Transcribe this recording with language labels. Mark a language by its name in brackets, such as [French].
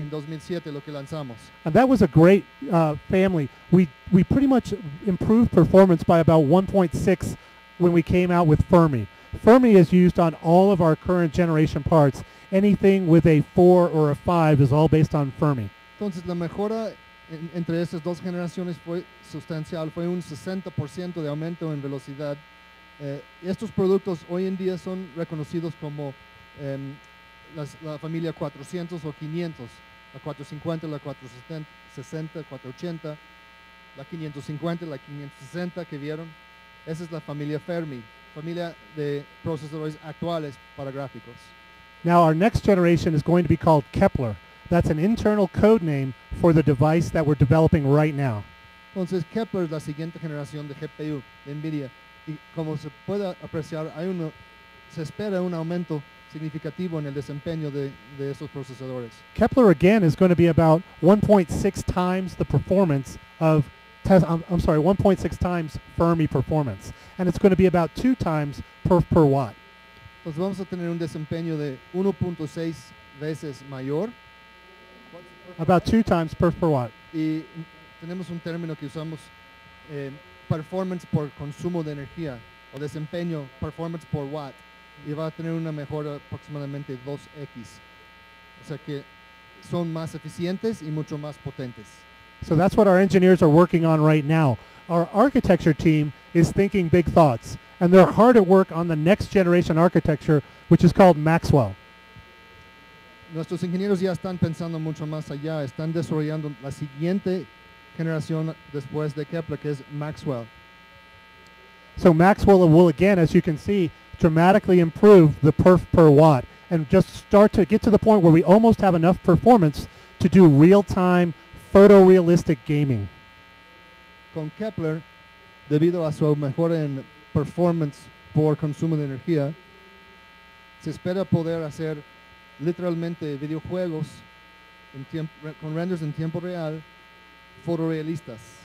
[Spanish] En 2007 lo que lanzamos. [English] And that was a great family. We pretty much improved performance by about 1.6 when we came out with Fermi. Fermi is used on all of our current generation parts. Anything with a 4 or a 5 is all based on Fermi. [Spanish] Entonces la mejora entre esas dos generaciones fue sustancial, fue un 60% de aumento en velocidad. Estos productos hoy en día son reconocidos como la familia 400 o 500, la 450, la 460, 480, la 550, la 560 que vieron. Esa es la familia Fermi, familia de procesadores actuales para gráficos. [English] Now our next generation is going to be called Kepler. That's an internal code name for the device that we're developing right now. [Spanish] Entonces, Kepler es la siguiente generación de GPU de NVIDIA. Y como se puede apreciar, se espera un aumento significativo en el desempeño de esos procesadores. [English] Kepler, again, is going to be about 1.6 times the performance of Tesla. I'm sorry, 1.6 times Fermi performance. And it's going to be about 2 times per watt. [Spanish] Entonces, vamos a tener un desempeño de 1.6 veces mayor. [English] About 2 times per watt. [Spanish] Y tenemos un término que usamos, performance por consumo de energía. o desempeño, performance por watt, y va a tener una mejora aproximadamente 2x. O sea que son más eficientes y mucho más potentes. [English] So that's what our engineers are working on right now. Our architecture team is thinking big thoughts, and they're hard at work on the next generation architecture, which is called Maxwell. [Spanish] Nuestros ingenieros ya están pensando mucho más allá, están desarrollando la siguiente generación después de Kepler, que es Maxwell. [English] So Maxwell will again, as you can see, dramatically improve the perf per watt and just start to get to the point where we almost have enough performance to do real-time photorealistic gaming. [Spanish] Con Kepler, debido a su mejora en performance por consumo de energía, se espera poder hacer literalmente videojuegos en con renders en tiempo real fotorealistas.